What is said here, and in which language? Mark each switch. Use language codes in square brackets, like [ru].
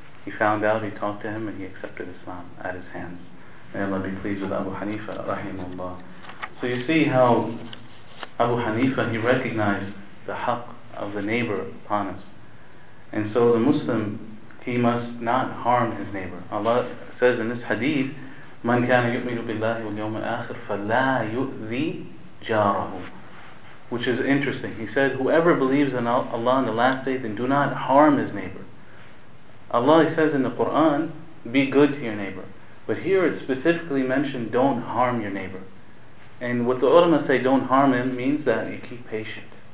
[en] He found out, he talked to him, and he accepted Islam at his hands. May Allah be pleased with Abu Hanifa rahimahullah. So you see how Abu Hanifa, he recognized the haqq of the neighbor upon us. And so the Muslim, he must not harm his neighbor. Allah says in this hadith, [ar] مَنْ كَانَ يُؤْمِنُ بِاللَّهِ وَالْيَوْمَ الْآخِرِ فَلَا يُؤْذِي جَارَهُ. [en] Which is interesting. He said, whoever believes in Allah on the last day, then do not harm his neighbor. Allah, he says in the Quran, be good to your neighbor. But here it specifically mentioned, don't harm your neighbor. And what the ulama say, don't harm him, means that you keep patient.